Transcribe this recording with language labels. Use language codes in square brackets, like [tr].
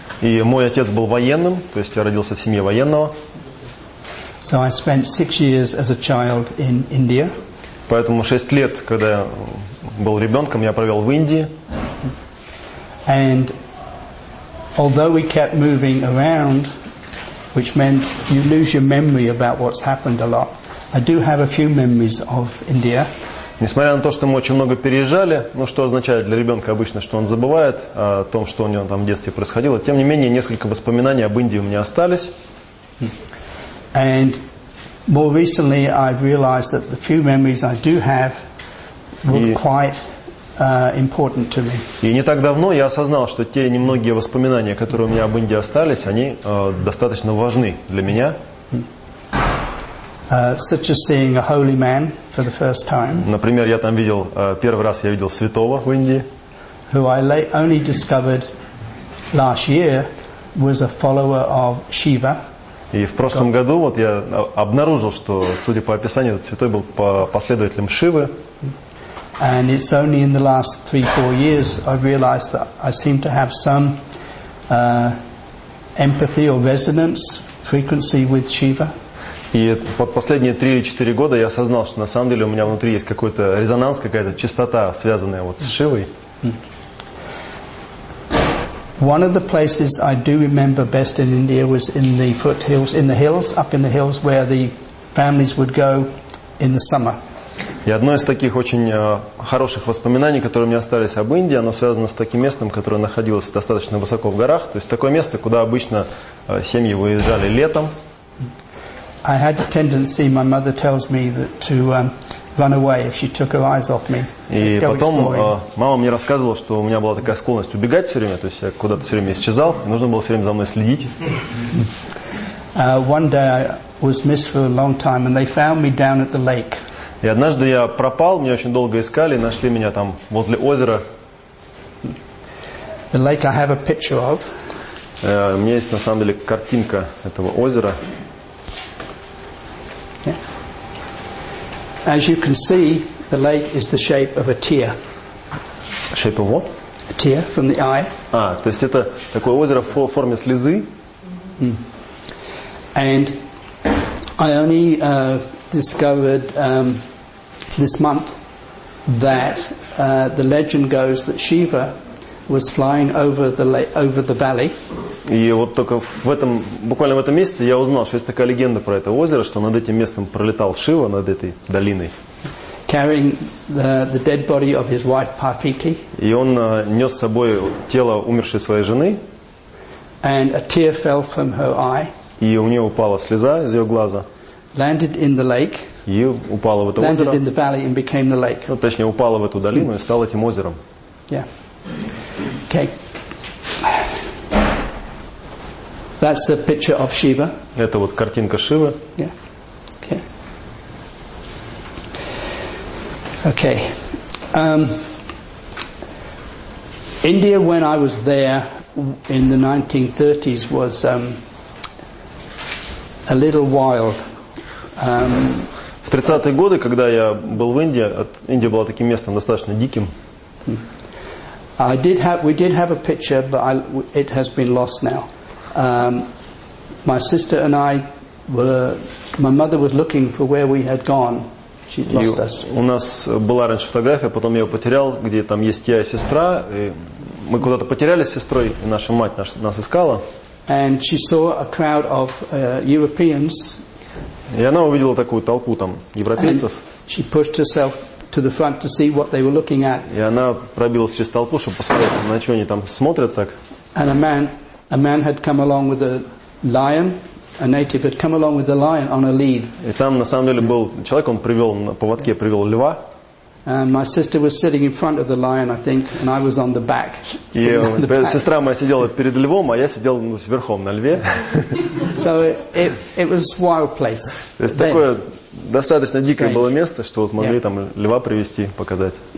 [ru] И мой отец был военным, то есть я родился в семье военного. [en] So I spent 6 years as a child in India. [ru] Поэтому 6 лет, когда я был ребенком, я провел в Индии. [en] And although we kept moving around, which meant you lose your memory about what's happened a lot, I do have a few memories of India. [ru] Несмотря на то, что мы очень много переезжали, ну что означает для ребенка обычно, что он забывает о том, что у него там в детстве происходило, тем не менее несколько воспоминаний об Индии у меня остались. [en] And more recently I've realized that the few memories I do have were quite important to me. [ru] И не так давно я осознал, что те немногие воспоминания, которые у меня об Индии остались, они достаточно важны для меня. [en] Such as seeing a holy man for the first time. [ru] Например, я там видел первый раз я видел святого в Индии. [en] Who I only discovered last year was a follower of Shiva. [ru] И в прошлом году вот я обнаружил, что, судя по описанию, этот святой был последователем Шивы. [en] And it's only in the last 3-4 years I've realized that I seem to have some empathy or resonance frequency with Shiva. [ru] И под последние 3-4 года я осознал, что на самом деле у меня внутри есть какой-то резонанс, какая-то частота, связанная вот с Шивой. [en] One of the places I do remember best in India was in the foothills, in the hills, up in the hills, where the families would go in the summer. [ru] И одно из таких очень хороших воспоминаний, которые у меня остались об Индии, оно связано с таким местом, которое находилось достаточно высоко в горах, то есть такое место, куда обычно семьи выезжали летом. [en] I had a tendency, my mother tells me, that to run away if she took her eyes off me. [ru] И потом мама мне рассказывала, что у меня была такая склонность убегать все время, то есть я куда-то все время исчезал, и нужно было все время за мной следить. [en] One day I was missed for a long time, and they found me down at the lake. [ru] И однажды я пропал, меня очень долго искали, нашли меня там возле озера. [en] The lake I have a picture of. [ru] У меня есть на самом деле картинка этого озера. [en] As you can see, the lake is the shape of a tear. Shape of what? A tear from the eye. [ru] То есть это такое озеро в форме слезы. Mm. [en] And I only discovered this month that the legend goes that Shiva was flying over the valley. [ru] И вот только в этом, буквально в этом месяце я узнал, что есть такая легенда про это озеро, что над этим местом пролетал Шива, над этой долиной. [en] carrying the dead body of his wife Parvati. [ru] И он нёс с собой тело умершей своей жены. [en] And a tear fell from her eye. [ru] И у неё упала слеза из её глаза. [en] Landed in the lake. [ru] И упала в это озеро. [en] Landed in the valley and became the lake. [ru] Ну, точнее, упала в эту долину и стала этим озером. [en] Yeah. Okay. That's a picture of Shiva. [ru] Это вот картинка Шивы. [en] Yeah. Okay. India, when I was there in the 1930s, was a little wild. [ru] В 30-е годы, когда я был в Индии, Индия была таким местом достаточно диким. [en] We did have a picture, but it has been lost now. My sister and I were. My mother was looking for where we had gone. [ru] У нас была раньше фотография, потом я ее потерял, где там есть я и сестра. И мы куда-то потерялись с сестрой, и наша мать нас искала. [en] And she saw a crowd of, Europeans. [ru] И она увидела такую толпу там европейцев. [en] And she pushed herself to the front to see what they were looking at. [ru] И она пробилась через толпу, чтобы посмотреть, на что они там смотрят так. [en] And a man had come along with a lion. A native had come along with the lion on a lead. [ru] И там на самом деле был человек, он привел на поводке привел льва. [en] And my sister was sitting in front of the lion, I think, and I was on the back. [ru] И сестра моя сидела перед львом, а я сидел верхом на льве. [en] So it was wild place. [ru] То есть такое достаточно дикое было место, что вот могли там льва привести показать.